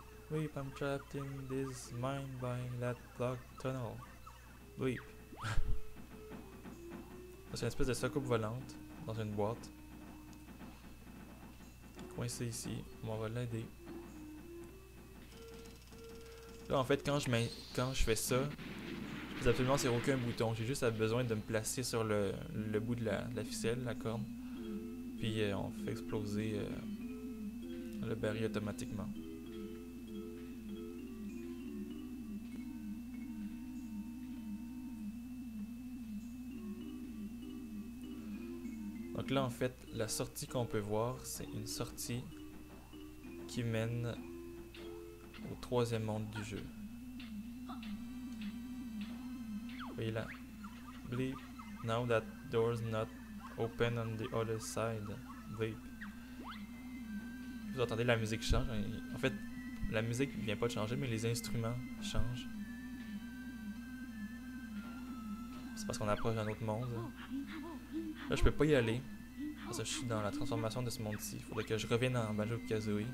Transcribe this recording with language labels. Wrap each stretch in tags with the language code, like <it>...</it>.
<en>Weep, I'm trapped in this mine by that block tunnel. Weep.</en> <fr>C'est une espèce de soucoupe volante dans une boîte. Coincé ici. On va l'aider. Là, en fait, quand je fais ça, Absolument, c'est aucun bouton. J'ai juste besoin de me placer sur le bout de la ficelle, la corde. Puis on fait exploser le baril automatiquement. Donc là, en fait, la sortie qu'on peut voir, c'est une sortie qui mène au troisième monde du jeu. Voyez là. Bleep.</fr> <en>Now that door's not open on the other side.</en> <fr>Bleep. Vous entendez la musique change. En fait, la musique vient pas de changer, mais les instruments changent. C'est parce qu'on approche d'un autre monde. Là, je peux pas y aller. Parce que je suis dans la transformation de ce monde-ci. Il faudrait que je revienne en Banjo-Kazooie.</fr>